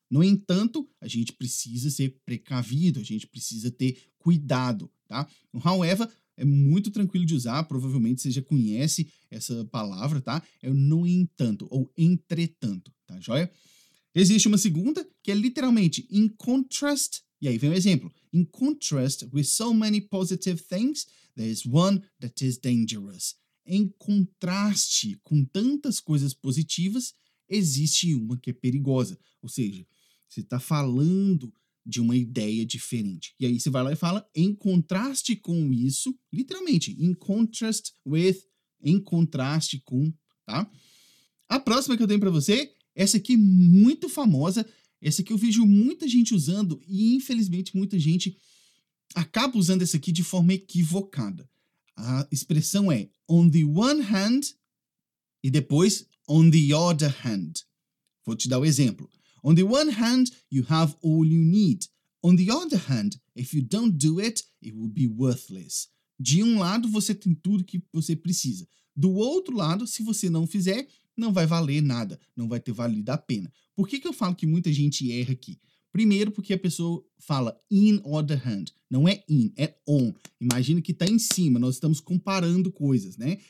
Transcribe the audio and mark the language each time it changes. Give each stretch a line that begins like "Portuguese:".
Portuguese: No entanto, a gente precisa ser precavido, a gente precisa ter cuidado, tá? O however é muito tranquilo de usar, provavelmente você já conhece essa palavra, tá? É o no entanto ou entretanto, tá joia? Existe uma segunda que é literalmente
English: in contrast,
Portuguese: e aí vem um exemplo.
English: In contrast with so many positive things, there is one that is dangerous.
Portuguese: Em contraste com tantas coisas positivas, existe uma que é perigosa. Ou seja, você está falando de uma ideia diferente. E aí você vai lá e fala, em contraste com isso, literalmente,
English: in contrast with,
Portuguese: em contraste com, tá? A próxima que eu tenho para você, essa aqui muito famosa, essa aqui eu vejo muita gente usando e infelizmente muita gente acaba usando essa aqui de forma equivocada. A expressão é
English: on the one hand
Portuguese: e depois
English: on the other hand.
Portuguese: Vou te dar um exemplo.
English: On the one hand, you have all you need. On the other hand, if you don't do it, it will be worthless.
Portuguese: De um lado, você tem tudo que você precisa. Do outro lado, se você não fizer, não vai valer nada. Não vai ter valido a pena. Por que eu falo que muita gente erra aqui? Primeiro porque a pessoa fala in or the hand. Não é in, é on. Imagina que está em cima. Nós estamos comparando coisas, né?